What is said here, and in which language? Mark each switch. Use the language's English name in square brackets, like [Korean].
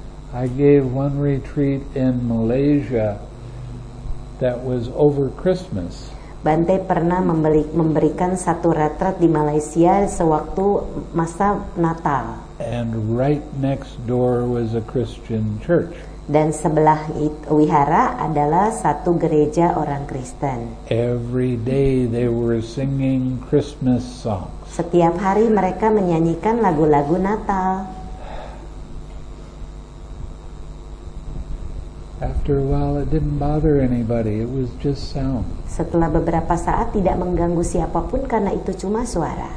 [English] I gave one retreat in Malaysia that was over Christmas. [Indonesian] Bante pernah memberikan satu retret di Malaysia sewaktu masa Natal. [English] And right next door was a Christian church. [Indonesian] Dan sebelah wihara adalah satu gereja orang Kristen. [English] Every day they were singing Christmas songs. [Indonesian] Setiap hari mereka menyanyikan lagu-lagu Natal. [English] After a while it didn't bother anybody. It was just sound. [Indonesian] Setelah beberapa saat tidak mengganggu siapapun karena itu cuma suara.